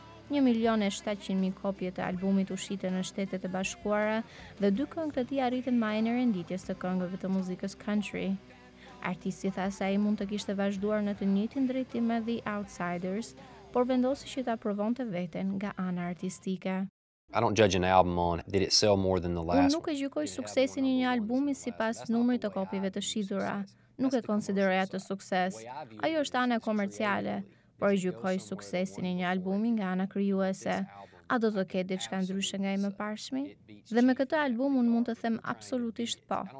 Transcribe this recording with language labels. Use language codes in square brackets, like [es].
[sq] 1.700.000 kopje të albumit u shitën në Shtetet e Bashkuara dhe dy këngë të tij arritën majën e renditjes të këngëve të muzikës country. Artisti tha se ai mund të kishte vazhduar në të njëjtin drejtim me The Outsiders, por vendosi që ta provonte veten nga ana artistike. [en] I don't judge an album on did it sell more than the last. [sq] Unë nuk e gjykoj suksesin e një albumi sipas numrit të kopjeve të shitura. Nuk e konsideroj atë sukses. Ajo është ana komerciale, por e gjykoj suksesin e një albumi nga ana krijuese. A do të ketë diçka ndryshe nga i mëparshmi? Dhe me këtë album unë mund të them absolutisht po.